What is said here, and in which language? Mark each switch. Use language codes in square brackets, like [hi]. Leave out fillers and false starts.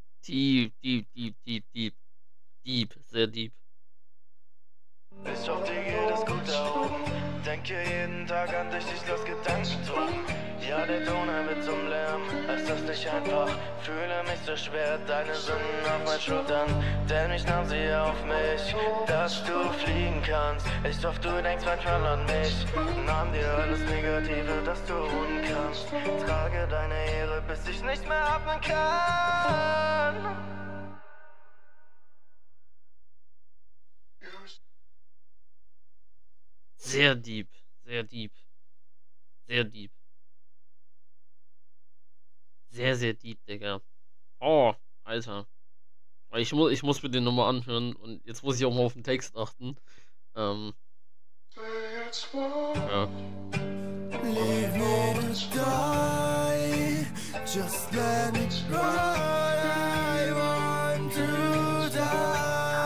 [en] Deep, deep, deep, deep, deep. [de] Deep, sehr deep. Ich hoffe, dir geht es gut darum. Denke jeden Tag an dich, ich lass Gedanken drum. Ja, der Donner wird zum Lärm, es ist nicht einfach. Fühle mich so schwer, deine Sünden auf meinen Schultern. Denn ich nahm sie auf mich, dass du fliegen kannst. Ich hoffe, du denkst manchmal an mich. Nahm dir alles Negative, das du ruhen kannst. Trage deine Ehre, bis ich nicht mehr atmen kann. Sehr deep, sehr deep, sehr deep. Sehr, sehr deep, Digga. Oh, Alter. Ich muss mir den nochmal anhören, und jetzt muss ich auch mal auf den Text achten. Ja. [en] Leave me to die, just let me cry. I want to die.